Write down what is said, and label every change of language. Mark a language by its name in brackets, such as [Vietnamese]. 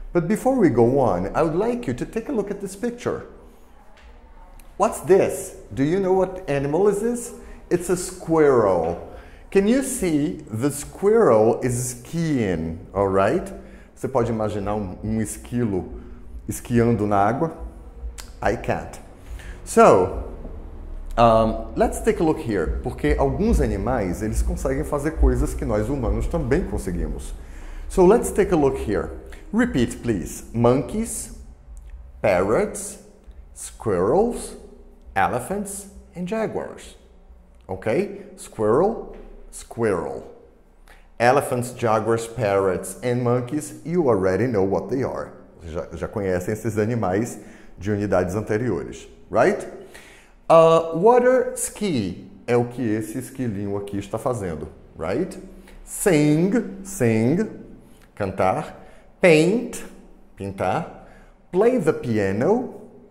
[English] But before we go on, I would like you to take a look at this picture. What's this? Do you know what animal is this? It's a squirrel. Can you see the squirrel is skiing, all right? [Portuguese] Você pode imaginar um esquilo esquiando na água? [English] I can't. So, let's take a look here, [Portuguese] porque alguns animais, eles conseguem fazer coisas que nós humanos também conseguimos. [English] So, let's take a look here. Repeat, please. Monkeys, parrots, squirrels, elephants, and jaguars. Okay? Squirrel, squirrel. Elephants, jaguars, parrots, and monkeys, you already know what they are. [Portuguese] Já conhecem esses animais de unidades anteriores, right? Water ski é o que esse esquilinho aqui está fazendo, right? [English] Sing, sing, cantar. Paint, pintar. Play the piano.